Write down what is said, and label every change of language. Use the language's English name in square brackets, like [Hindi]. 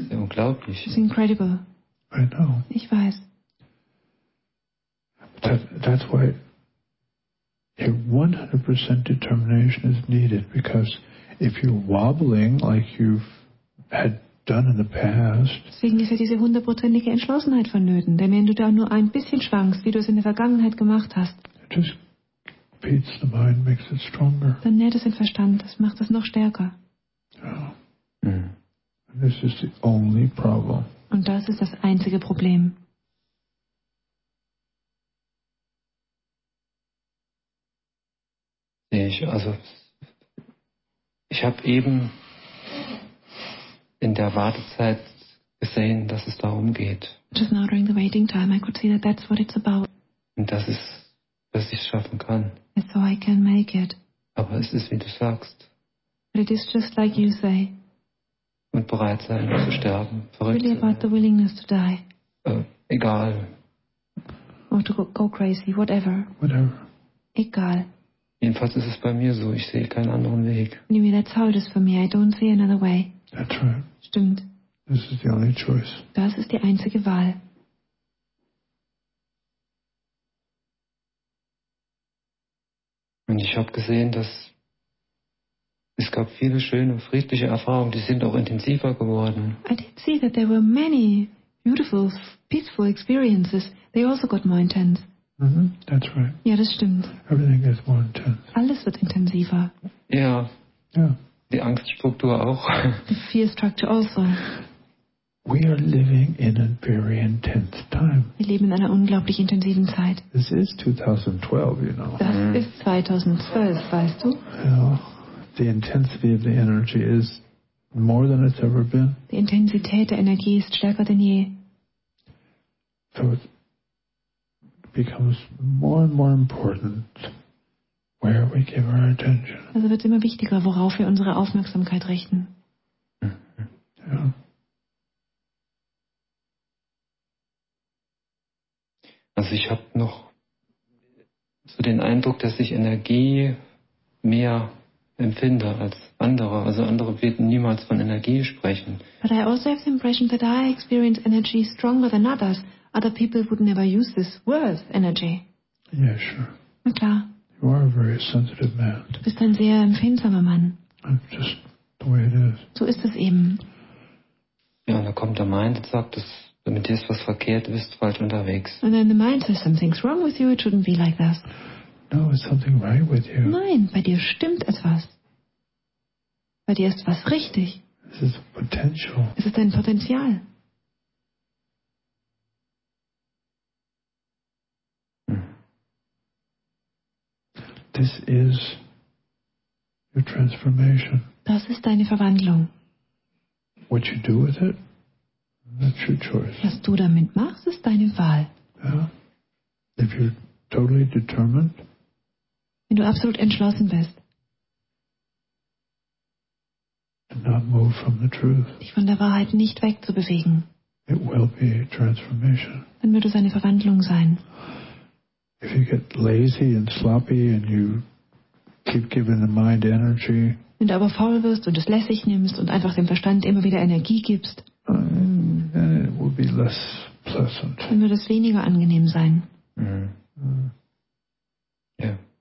[German] Ja, unglaublich. [English] It's incredible. I know. [German] Ich weiß. [English] That's why your 100% determination is needed, because if you're wobbling like you've had done in the past. [German] Deswegen ist ja diese hundertprozentige Entschlossenheit vonnöten, denn wenn du da nur ein bisschen schwankst, wie du es in der Vergangenheit gemacht hast. [English] Beats the mind, makes it stronger. [German] Dann nährt es den Verstand, das macht es noch stärker. [English] Yeah. Mm. This is the only problem. [German] Und das ist das einzige Problem. Ich habe eben in der Wartezeit gesehen, dass es darum geht. [English] Just now during the waiting time, I could see that that's what it's about. [German] Und das ist, dass ich es schaffen kann. [English] So I can make it. [German] Aber es ist, wie du sagst. [English] But it is just like you say. [German] Und bereit sein zu sterben. [English] Really about the willingness to die. [German] Egal. [English] Or to go crazy, whatever. Whatever. [German] Egal. Jedenfalls ist es bei mir so. Ich sehe keinen anderen Weg. [English] Anyway, that's how it is for me. I don't see another way. That's right. [German] Stimmt. [English] This is the only choice. [German] Das ist die einzige Wahl. Und ich habe gesehen, dass es gab viele schöne, friedliche Erfahrungen, die sind auch intensiver geworden. [English] I did see that there were many beautiful, peaceful experiences. They also got more intense. Mm-hmm. That's right. [German] Ja, das stimmt. [English] Everything gets more intense. [German] Alles wird intensiver. Ja. Ja. Die Angststruktur auch. [English] The fear structure also. We are living in a very intense time. [German] Wir leben in einer unglaublich intensiven Zeit. [English] This is 2012, you know. [German] Das ist 2012, weißt du? [English] The intensity of the energy is more than it's ever been. [German] Die Intensität der Energie ist stärker denn je. [English] So it becomes more and more important where we give our attention. [German] Also wird es immer wichtiger, worauf wir unsere Aufmerksamkeit richten. Also ich habe noch so den Eindruck, dass ich Energie mehr empfinde als andere. Also andere werden niemals von Energie sprechen. [English] But I also have the impression that I experience energy stronger than others. Other people would never use this word, energy. Yeah, sure. [German] Na klar. [English] You are a very sensitive man. [German] Du bist ein sehr empfindsamer Mann. [English] It's just the way it is. [German] So ist es eben. Ja, und da kommt der Mind und sagt, dass mit dir ist was verkehrt, du bist falsch unterwegs. [English] And then the mind says something's wrong with you, it shouldn't be like that. No, is something right with you. [German] Nein, bei dir stimmt etwas. Bei dir ist was richtig. [English] This is potential. [German] Es ist ein Potenzial. [English] This is your transformation. [German] Das ist deine Verwandlung. [English] What you do with it? That's your choice. [German] Was du damit machst, ist deine Wahl. [English] Yeah. If you're totally determined, [German] wenn du absolut entschlossen bist, [English] not move from the truth, [German] dich von der Wahrheit nicht wegzubewegen, [English] it will be a transformation. [German] Dann wird es eine Verwandlung sein. [English] If you get lazy and sloppy and you keep giving the mind energy, [German] wenn du aber faul wirst und es lässig nimmst und einfach dem Verstand immer wieder Energie gibst, [English] then it will be less pleasant. [German] Dann wird es weniger angenehm sein. [English] Mm-hmm. Yeah.